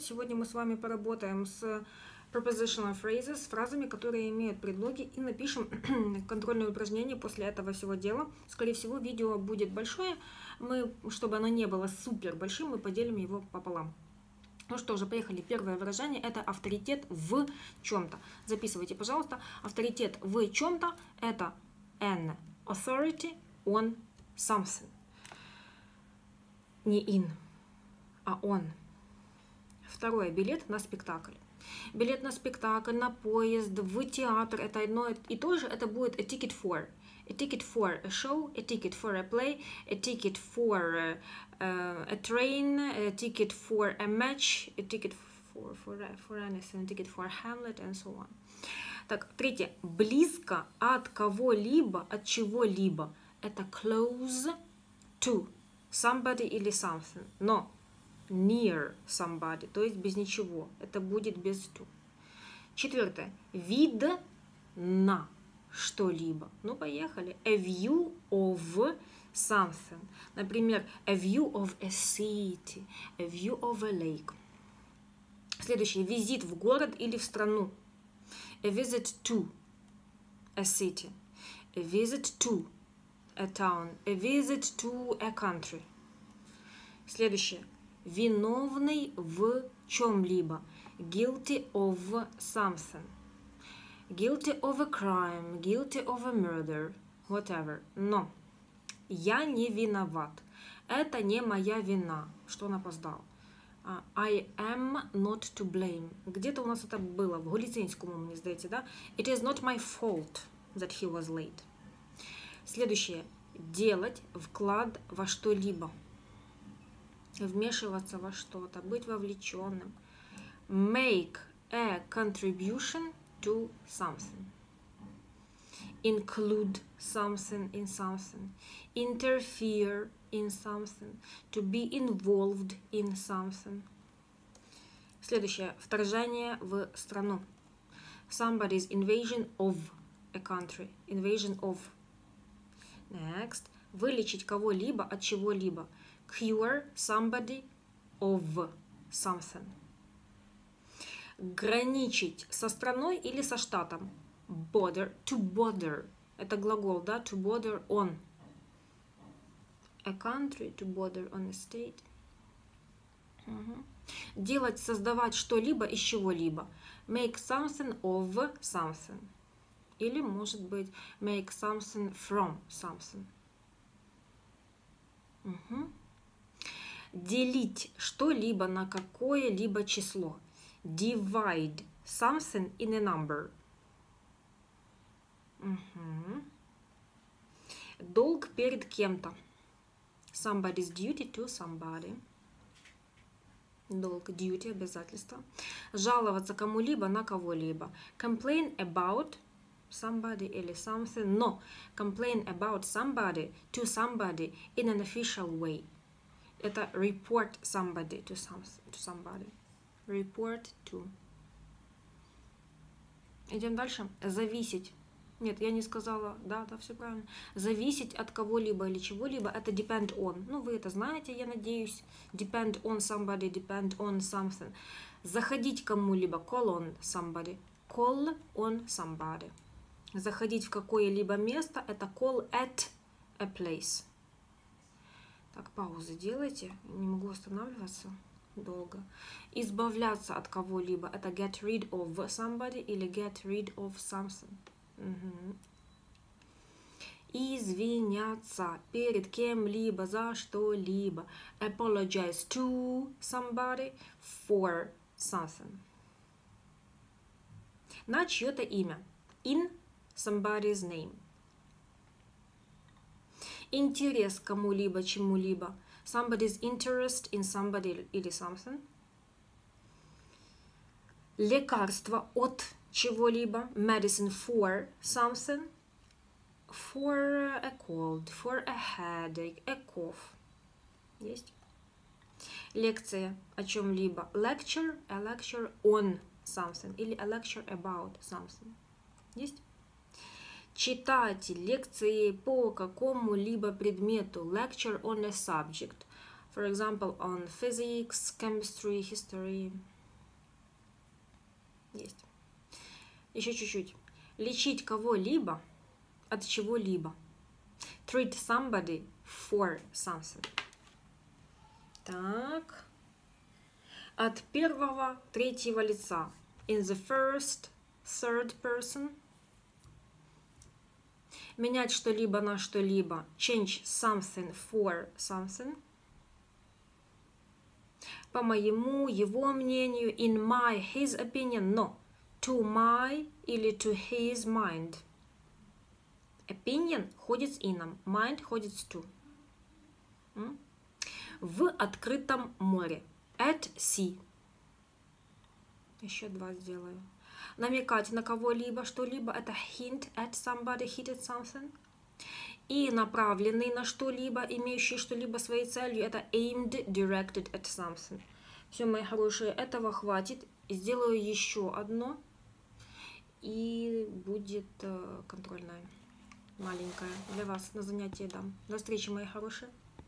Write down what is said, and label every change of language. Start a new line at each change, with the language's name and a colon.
Russian: Сегодня мы с вами поработаем с
English: prepositional phrases,
Russian: с фразами, которые имеют предлоги, и напишем контрольное упражнение после этого всего дела. Скорее всего, видео будет большое. Мы, чтобы оно не было супер большим, мы поделим его пополам. Ну что же, поехали. Первое выражение – это авторитет в чем-то. Записывайте, пожалуйста. Авторитет в чем-то – это
English: an authority on something.
Russian: Не in, а on. Второе. Билет на спектакль. Билет на спектакль, на поезд, в театр. Это одно и то же. Это будет
English: a ticket for. A ticket for a show, a ticket for a play, a ticket for a train, a ticket for a match, a ticket for anything, a ticket for Hamlet, and so on.
Russian: Так, третье. Близко от кого-либо, от чего-либо.
English: Это close to somebody или something.
Russian: Но
English: near somebody,
Russian: то есть без ничего. Это будет без to. Четвертое. Вид на что-либо. Ну, поехали.
English: A view of something. Например, a view of a city, a view of a lake.
Russian: Следующий. Визит в город или в страну.
English: A visit to a city. A visit to a town. A visit to a country. Следующее.
Russian: Виновный в чем-либо.
English: Guilty of something. Guilty of a crime, guilty of a murder, whatever.
Russian: Но я не виноват. Это не моя вина, что он опоздал.
English: I am not to blame.
Russian: Где-то у нас это было, в Голицынскому, мне сдаётся, да?
English: It is not my fault that he was late.
Russian: Следующее. Делать вклад во что-либо. Вмешиваться во что-то, быть вовлечённым.
English: Make a contribution to something, include something in something, interfere in something, to be involved in something.
Russian: Следующее. Вторжение в страну.
English: Somebody's invasion of a country. Invasion of. Next.
Russian: Вылечить кого-либо от чего-либо.
English: Cure somebody of something.
Russian: Граничить со страной или со штатом.
English: Border, to border.
Russian: Это глагол, да?
English: To border on a country, to border on a state. Угу.
Russian: Делать, создавать что-либо из чего-либо.
English: Make something of something.
Russian: Или, может быть,
English: make something from something.
Russian: Угу. Делить что-либо на какое-либо число.
English: Divide something in a number.
Russian: Uh-huh. Долг перед кем-то.
English: Somebody's duty to somebody.
Russian: Долг, duty, обязательство. Жаловаться кому-либо на кого-либо.
English: Complain about somebody или something. No, complain about somebody to somebody in an official way. Это report somebody to somebody. Report to.
Russian: Идем дальше. Зависеть. Нет, я не сказала. Да, да, все правильно. Зависеть от кого-либо или чего-либо.
English: Это depend on.
Russian: Ну, вы это знаете, я надеюсь.
English: Depend on somebody, depend on something.
Russian: Заходить кому-либо.
English: Call on somebody. Call on somebody.
Russian: Заходить в какое-либо место.
English: Это call at a place.
Russian: Так, паузы делайте. Не могу останавливаться долго. Избавляться от кого-либо.
English: Это get rid of somebody или get rid of something.
Russian: Угу. Извиняться перед кем-либо за что-либо.
English: Apologize to somebody for something.
Russian: На чье-то имя.
English: In somebody's name.
Russian: Интерес кому-либо, чему-либо.
English: Somebody's interest in somebody или something.
Russian: Лекарство от чего-либо.
English: Medicine for something. For a cold, for a headache, a cough.
Russian: Есть? Лекция о чем-либо.
English: Lecture, a lecture on something. Или a lecture about something.
Russian: Есть? Читать лекции по какому-либо предмету.
English: Lecture on a subject. For example, on physics, chemistry, history.
Russian: Есть. Еще чуть-чуть. Лечить кого-либо от чего-либо.
English: Treat somebody for something.
Russian: Так. От первого, третьего лица.
English: In the first, third person.
Russian: Менять что-либо на что-либо.
English: Change something for something.
Russian: По моему, его мнению,
English: in my, his opinion,
Russian: но.
English: To my или to his mind.
Russian: Opinion ходит с ином, mind ходит с to. В открытом море.
English: At sea.
Russian: Еще два сделаю. Намекать на кого-либо, что-либо.
English: Это hint at somebody, hit at something.
Russian: И направленный на что-либо, имеющий что-либо своей целью.
English: Это aimed, directed at something.
Russian: Все, мои хорошие, этого хватит. Сделаю еще одно. И будет контрольная маленькая для вас на занятие дам. До встречи, мои хорошие.